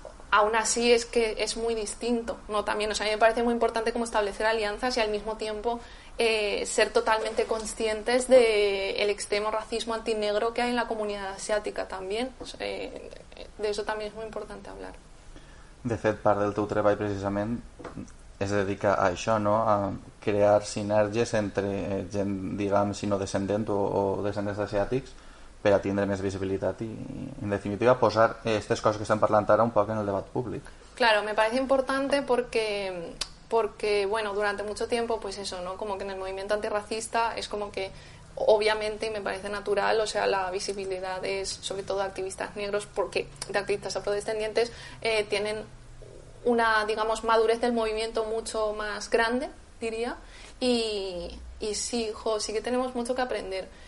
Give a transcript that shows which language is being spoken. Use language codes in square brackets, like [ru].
[es] Aún así es que es muy distinto, ¿no? También, o sea, a mí me parece muy importante como establecer alianzas y al mismo tiempo ser totalmente conscientes del extremo racismo antinegro que hay en la comunidad asiática también. De eso también es muy importante hablar. [ca] De fet, part del teu treball precisament es dedica a això, ¿no? A crear sinergies entre gent, diguem, sinodescendent o descendents asiàtics, per a tindre més visibilitat i, en definitiva, posar aquestes coses que estem parlant ara un poc en el debat públic. [es] Claro, me parece importante porque bueno, durante mucho tiempo, pues eso, ¿no? Como que en el movimiento antirracista es como que, obviamente, me parece natural, o sea, la visibilidad es, sobre todo, de activistas negros, porque de activistas afrodescendientes tienen una, digamos, madurez del movimiento mucho más grande, diría, y sí, jo, sí que tenemos mucho que aprender.